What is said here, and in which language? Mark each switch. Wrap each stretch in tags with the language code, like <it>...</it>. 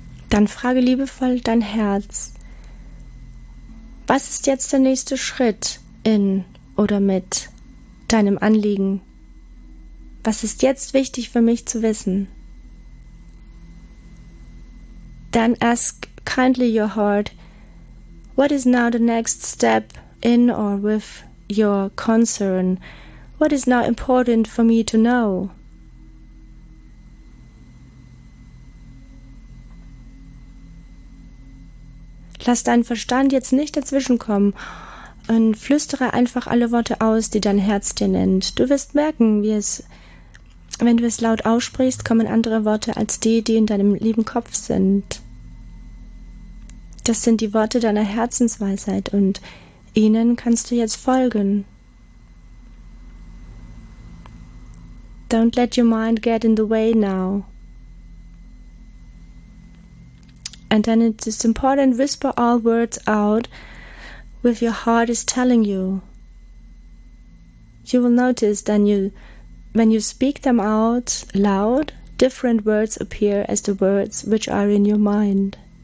<de>Dann frage liebevoll dein Herz, was ist jetzt der nächste Schritt in oder mit deinem Anliegen? Was ist jetzt wichtig für mich zu wissen?</de> <en>Then ask kindly your heart, what is now the next step in or with your concern? What is now important for me to know?</en> <de>Lass deinen Verstand jetzt nicht dazwischen kommen und flüstere einfach alle Worte aus, die dein Herz dir nennt. Du wirst merken, wenn du es laut aussprichst, kommen andere Worte als die, die in deinem lieben Kopf sind. Das sind die Worte deiner Herzensweisheit und ihnen kannst du jetzt folgen.</de> <en>Don't let your mind get in the way now. And then it is important to whisper all words out with your heart is telling you. You will notice then when you speak them out loud, different words appear as the words which are in your mind.</en>